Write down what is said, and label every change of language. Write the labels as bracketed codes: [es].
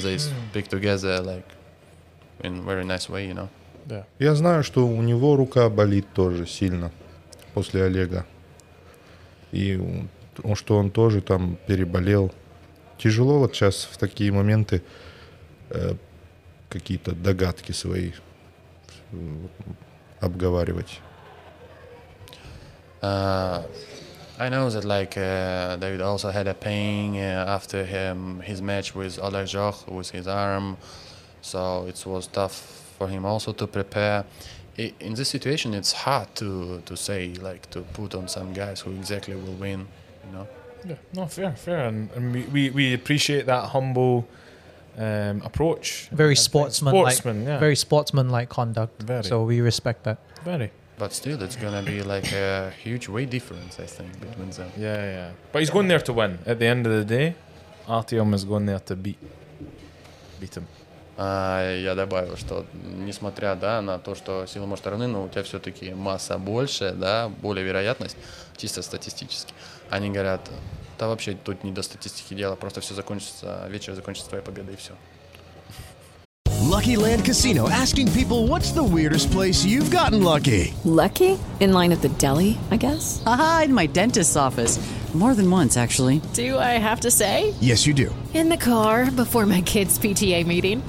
[en] They speak together like in very nice way, you know. Yeah. [ru] Я знаю, что у него рука болит тоже сильно после Олега. И что он тоже там переболел. Тяжело вот сейчас в такие моменты какие-то догадки свои обговаривать. [en] I know that like David also had a pain after him his match with Oleg Joch with his arm, so it was tough for him also to prepare. In this situation, it's hard to say like to put on some guys who exactly will win, you know. Yeah, no, fair, and we appreciate that humble approach. Very sportsman, yeah. Very sportsmanlike conduct. Very. So we respect that. Very. But still, it's going to be like a huge weight difference, I think, between them. Yeah, yeah. But he's going there to win. At the end of the day, Artyom is going there to beat him. [ru] Я добавил, что несмотря да, на то, что силы может равны, но у тебя все-таки масса больше, да, более вероятность, чисто статистически. Они говорят, да вообще тут не до статистики дело, просто все закончится, вечер закончится твоей победой и все. [en] Lucky Land Casino, asking people, what's the weirdest place you've gotten lucky? Lucky? In line at the deli, I guess? Aha, in my dentist's office. More than once, actually. Do I have to say? Yes, you do. In the car, before my kid's PTA meeting.